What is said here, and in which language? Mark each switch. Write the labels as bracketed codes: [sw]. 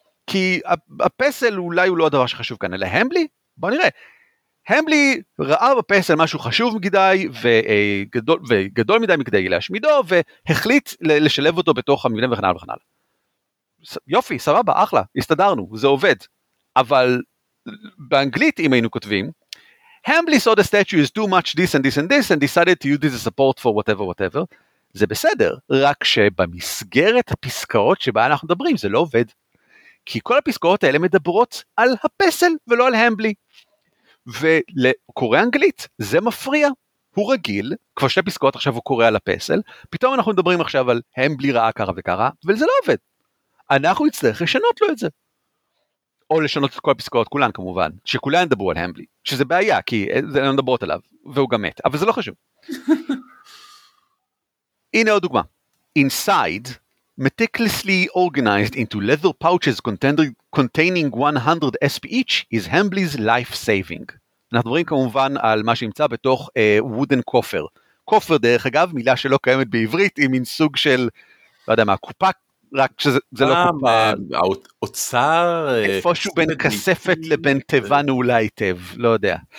[he] כי הפסל אולי הוא לא הדבר שחשוב כאן, אלא Hambly? בוא נראה. Hambly ראה בפסל משהו חשוב מדי וגדול מדי מכדי להשמידו, והחליט לשלב אותו בתוך המבנה וכן הלאה וכן הלאה. יופי, סבבה, אחלה, הסתדרנו, זה עובד. אבל באנגלית, אם היינו כותבים, [en] Hambly saw the statue is too much this and this and this, and decided to use this as support for whatever, whatever, [he] זה בסדר, רק שבמסגרת הפסקאות שבה אנחנו מדברים, זה לא עובד. כי כל הפסקאות האלה מדברות על הפסל ולא על המבלי. ולקורא אנגלית, זה מפריע. הוא רגיל, כבר שתי פסקאות עכשיו הוא קורא על הפסל, פתאום אנחנו מדברים עכשיו על המבלי רעה קרה וקרה, וזה לא עובד. אנחנו נצטרך לשנות לו את זה. או לשנות את כל הפסקאות כולן כמובן, שכולן דברו על המבלי, שזה בעיה, כי זה לא מדברות עליו, והוא גם מת, אבל זה לא חשוב. הנה עוד דוגמה. [en] Inside, meticulously organized into leather pouches containing 100 SP each, is Hambly's life-saving. [he] אנחנו מדברים כמובן על מה שימצא בתוך wooden coffer. Coffer, דרך אגב, מילה שלא קיימת בעברית, היא מין סוג של, לא יודע מה, קופה, רק שזה לא קופה. האוצר... איפשהו בין כספת לבין תיבן אולי היטב, לא יודע.